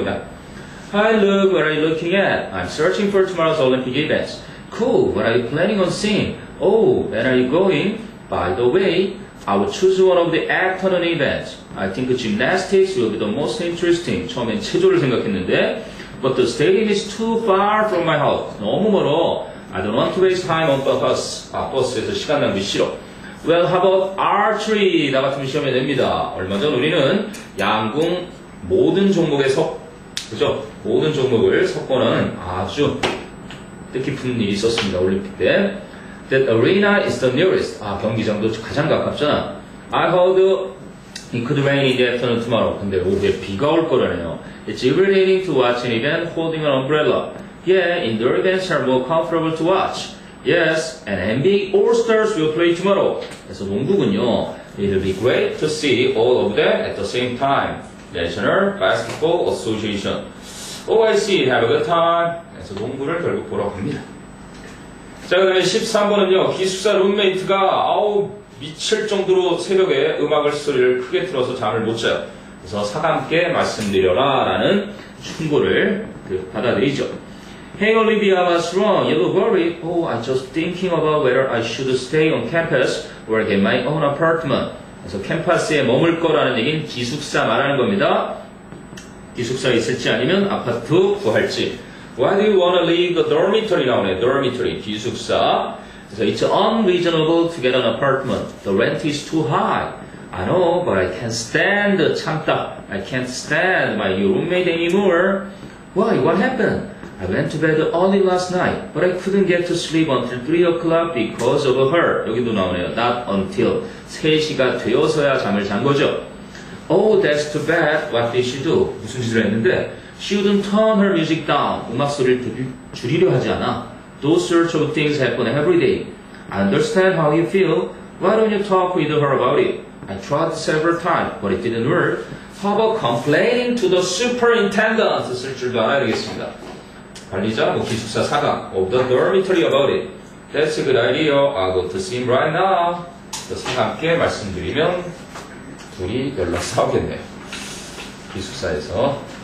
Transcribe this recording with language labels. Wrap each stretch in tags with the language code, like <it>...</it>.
<en>그냥 Hi, Luke, what are you looking at? I'm searching for tomorrow's Olympic events. Cool, what are you planning on seeing? Oh, where are you going? By the way, I will choose one of the afternoon events. I think gymnastics will be the most interesting.</en> <ko>처음엔 체조를 생각했는데.</ko> <en>But the stadium is too far from my house.</en> <ko>너무 멀어.</ko> <en>I don't want to waste time on the bus.</en> <ko>아, 버스에서 시간 낭비 싫어.</ko> <en>Well, how about archery?</en> <ko>나 같으면 시험에 냅니다. 얼마 전 우리는 양궁 모든 종목에 그죠? 모든 종목을 섞어는 아주 뜻깊은 일이 있었습니다. 올림픽 때.</ko> <en>That arena is the nearest.</en> <ko>아, 경기장도 가장 가깝잖아.</ko> <en>I heard it could rain in the afternoon tomorrow.</en> <ko>근데 오후에 비가 올 거라네요.</ko> <en>It's irritating to watch an event holding an umbrella. Yeah, indoor events are more comfortable to watch. Yes, and NBA All-Stars will play tomorrow.</en> <ko>그래서 농구군요.</ko> <en>It'll be great to see all of them at the same time. National Basketball Association. OIC, have a good time.</en> <ko>그래서 농구를 결국 보러 갑니다. 자, 그 다음에 13번은요. 기숙사 룸메이트가 아우 미칠 정도로 새벽에 음악을 소리를 크게 틀어서 잠을 못 자요. 그래서 사감께 말씀드려라 라는 충고를 받아들이죠.</ko> <en>Hey Olivia, what's wrong? You look worried. Oh, I'm just thinking about whether I should stay on campus or get my own apartment.</en> <ko>그래서 캠퍼스에 머물 거라는 얘기는 기숙사 말하는 겁니다. 기숙사에 있을지 아니면 아파트 구할지.</ko> <en>Why do you want to leave the dormitory?</en> <ko>나오네.</ko> <en>Dormitory, 기숙사.</en> <ko>그래서</ko> <en>it's unreasonable to get an apartment. The rent is too high. I know, but I can't stand</en> <ko>참다.</ko> <en>I can't stand my roommate anymore. Why? What happened? I went to bed early last night, but I couldn't get to sleep until 3 o'clock because of her.</en> <ko>여기도 나오네요. Not until. 3시가 되어서야 잠을 잔 거죠.</ko> <en>Oh, that's too bad. What did she do?</en> <ko>무슨 짓을 했는데?</ko> <en>She wouldn't turn her music down.</en> <ko>음악 소리를 줄이려 하지 않아.</ko> <en>Those sorts of things happen every day. I understand how you feel. Why don't you talk with her about it? I tried several times, but it didn't work. How about complaining to the superintendent?</en> <ko>쓸 줄도 알아야 되겠습니다. 관리자, 뭐 기숙사 사장,</ko> <en>of the dormitory about it. That's a good idea. I'll go to see him right now.</en> <ko>사장께 말씀드리면 둘이 연락 싸우겠네요. 기숙사에서.</ko>